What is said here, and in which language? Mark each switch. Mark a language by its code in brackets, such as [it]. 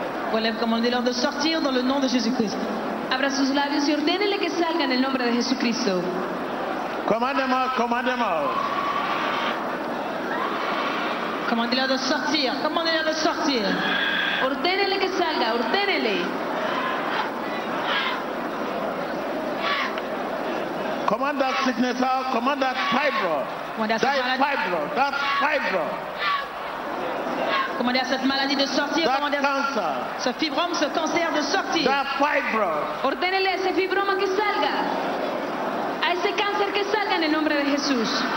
[fr] Vous allez commander de sortir dans le nom de Jésus-Christ. [es] Abra sus labios y ordenele que salga en el nombre de Jesucristo. [en] Command them out. [fr] Commandez-leur de sortir. [es] Ordenele que salga, ordenele. [en] Command that sickness out, command that fibroid. That fibroid. [fr] Commandez à cette maladie de sortir, ce fibrome, ce cancer de sortir. [en] That fibroid. [es] Ordenele ce fibroma que salga. A ese cáncer que salga en el nombre de Jesús.